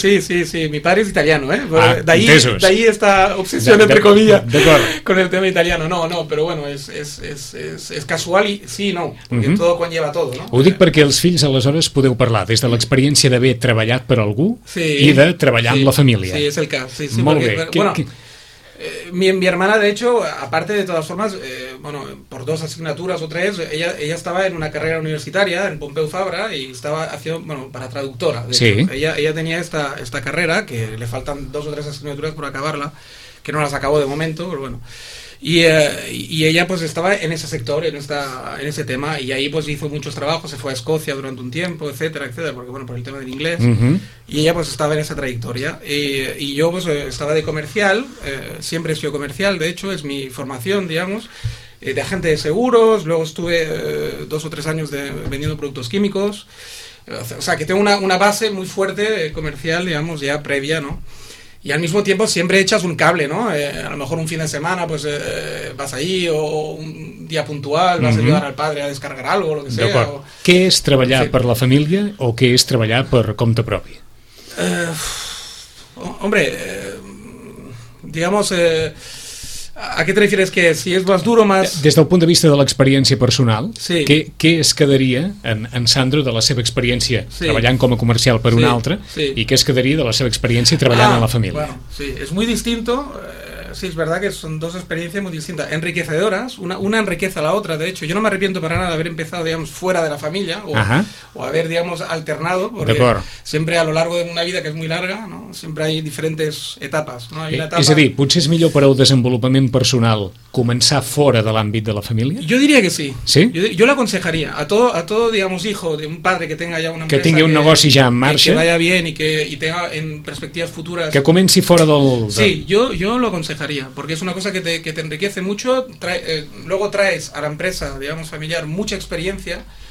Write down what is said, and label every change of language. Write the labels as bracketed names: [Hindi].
[Spanish] Sí, mi padre es italiano, d'ahí esta obsesión, entre comillas, con el tema italiano, no, pero bueno, es casual y sí, no, porque todo conlleva todo, ¿no? [Catalan] Ho dic perquè els fills aleshores podeu parlar, des de l'experiència d'haver treballat per algú i de treballar amb la família. Sí, és el cas, sí. Molt bé. [Spanish] Mi hermana, de hecho, aparte de todas formas, bueno, por dos asignaturas o tres, ella estaba en una carrera universitaria en Pompeu Fabra y estaba haciendo, bueno, para traductora. Sí. Ella tenía esta carrera, que le faltan dos o tres asignaturas por acabarla, que no las acabó de momento, pero bueno. y ella pues estaba en ese sector, en ese tema, y ahí pues hizo muchos trabajos, se fue a Escocia durante un tiempo, etcétera, etcétera, porque bueno, por el tema del inglés, uh-huh. Y ella pues estaba en esa trayectoria, y yo pues estaba de comercial, siempre he sido comercial, de hecho, es mi formación, digamos, de agente de seguros, luego estuve 2 o 3 años vendiendo productos químicos, o sea, que tengo una base muy fuerte comercial, digamos, ya previa, ¿no? Y al mismo tiempo siempre echas un cable, ¿no? A lo mejor un fin de semana, pues vas ahí, o un día puntual, vas uh-huh. a ayudar al padre a descargar algo, lo que sea. O... ¿Qué es [Catalan] treballar sí. per la família o qué es treballar per compte propi? [Spanish] Hombre, digamos... ¿A qué te refieres? ¿Que si es más duro, más...? [Catalan] Des del punt de vista de l'experiència personal, sí. què es quedaria en Sandro de la seva experiència sí. treballant com a comercial per sí. un altre sí. i què es quedaria de la seva experiència treballant en la família? [Spanish] Bueno, sí, [Catalan] és [Spanish] muy distinto. Sí, es verdad que son dos experiencias muy distintas. Enriquecedoras. Una enriquece a la otra, de hecho. Yo no me arrepiento para nada de haber empezado, digamos, fuera de la familia o haber, digamos, alternado. De acuerdo. Siempre a lo largo de una vida que es muy larga, ¿no? Siempre hay diferentes etapas, ¿no? Hay una etapa... [Catalan] Es a dir, potser és millor per al desenvolupament personal començar [Spanish] fuera [Catalan] de l'àmbit de la família? [Spanish] Yo diría que sí. Sí? Yo lo aconsejaría. A todo, digamos, hijo de un padre que tenga ya una empresa... [Catalan] Que tingui un negoci [Spanish] ya [Catalan] en marxa. [Spanish] Que vaya bien y tenga en perspectivas futuras... [Catalan] Que comenci [Spanish] fuera del... Sí, yo lo aconsejaría. Porque es una cosa que te enriquece mucho, luego traes a la empresa, digamos, familiar, mucha experiencia.